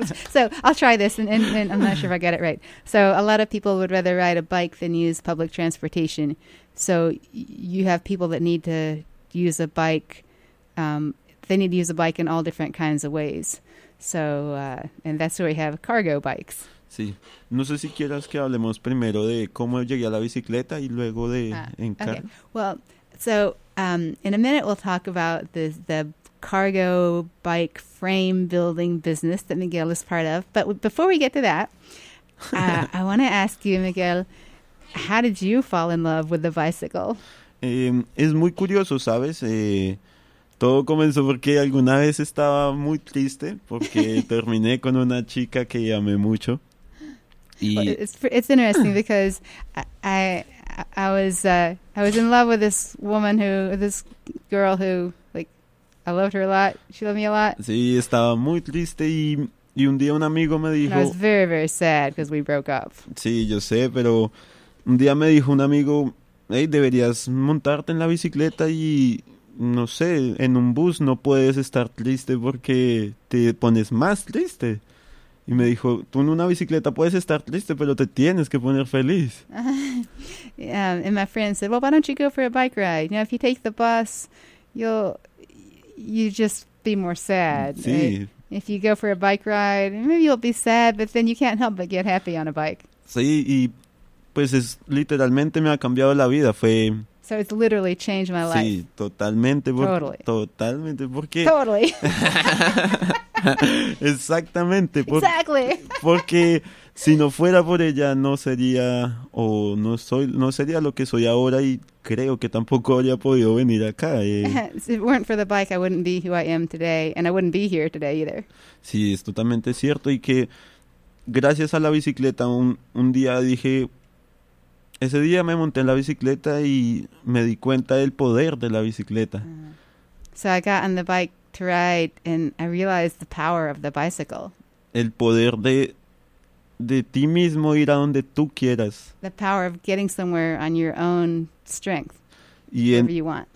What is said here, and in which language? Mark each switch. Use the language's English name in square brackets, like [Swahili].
[English] So I'll try this, and I'm not sure if I get it right. So a lot of people would rather ride a bike than use public transportation. So you have people that need to use a bike. They need to use a bike in all different kinds of ways. So, and that's where we have cargo bikes. [Spanish] Sí. No sé si quieras que hablemos primero de cómo llegué a la bicicleta y luego de encargo. [English] Okay. Well, so, in a minute we'll talk about the cargo bike frame building business that Miguel is part of. But before we get to that, I want to ask you, Miguel, how did you fall in love with the bicycle? [Spanish] Es muy curioso, ¿sabes? Todo comenzó porque alguna vez estaba muy triste porque terminé con una chica que amé mucho. Y [English] well, it's interesting because I was in love with this girl who like I loved her a lot. She loved me a lot. [Spanish] Sí, estaba muy triste y un día un amigo me dijo. [English] And I was very very sad because we broke up. [Spanish] Sí, yo sé, pero un día me dijo un amigo, hey, deberías montarte en la bicicleta y no sé, en un bus no puedes estar triste porque te pones más triste. Y me dijo, tú en una bicicleta puedes estar triste, pero te tienes que poner feliz. [English] And my friend said, well, why don't you go for a bike ride? You know, if you take the bus, you just be more sad. [Spanish] Sí. Right? [English] If you go for a bike ride, maybe you'll be sad, but then you can't help but get happy on a bike. [Spanish] Sí, y pues es, literalmente me ha cambiado la vida. Fue... [English] So it's literally changed my life. [Spanish] Sí, totalmente. Totalmente. Porque... [English] Totally. [Spanish] Exactamente. [English] Exactly. [Spanish] Porque si no fuera por ella, no sería, no sería lo que soy ahora, y creo que tampoco habría podido venir acá. [English] If it weren't for the bike, I wouldn't be who I am today, and I wouldn't be here today either. [Spanish] Sí, es totalmente cierto, y que gracias a la bicicleta, un día dije... Ese día me monté en la bicicleta y me di cuenta del poder de la bicicleta. [English] So I got on the bike to ride and I realized the power of the bicycle. [Spanish] El poder de ti mismo ir a donde tú quieras. [English] The power of getting somewhere on your own strength, whatever you want.